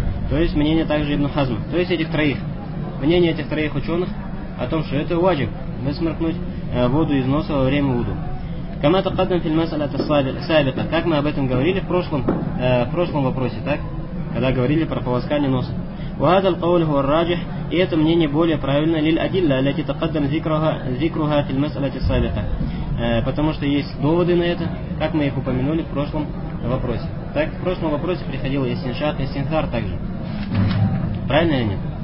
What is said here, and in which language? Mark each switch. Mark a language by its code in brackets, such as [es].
[ru] То есть мнение также Ибн Хазма. То есть этих троих. Мнение этих троих ученых о том, что это ваджиб. Высмаркнуть воду из носа во время вуду. [ar] Камата каддам фил масала сабика. [ru] Как мы об этом говорили в прошлом вопросе, так? Когда говорили про полоскание носа. [ar] وهذا القول هو الراجح. [ru] И это мнение более правильно [ar] للأدلة التي تقدم ذكرها في المسألة السابقة. [ru] Потому что есть доводы на это, как мы их упомянули в прошлом вопросе. Так, в прошлом вопросе приходил истиншах, истинсар также. Правильно ли они?